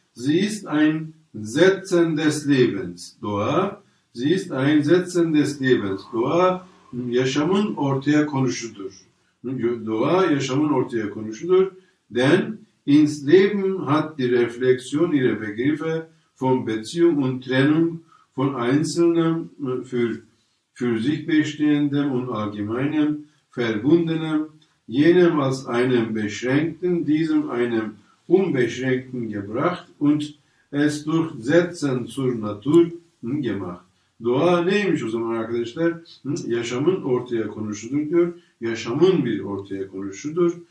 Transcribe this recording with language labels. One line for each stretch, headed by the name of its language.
German: Sie ist ein Setzen des Lebens. Doğa. Sie ist ein Setzen des Lebens.
Turkish: Doğa, yaşamın ortaya konuşudur. Doğa, yaşamın ortaya konuşudur.
German: Denn ins Leben hat die Reflexion ihre Begriffe von Beziehung und Trennung von Einzelnen für sich bestehenden und allgemeinen verbundenen, jenem als einem Beschränkten, diesem einem Unbeschränkten gebracht und es durch Setzen zur Natur gemacht.
Turkish: Doğa neymiş o zaman arkadaşlar? Yaşamın ortaya konuşudur diyor. Yaşamın bir ortaya konuşudur.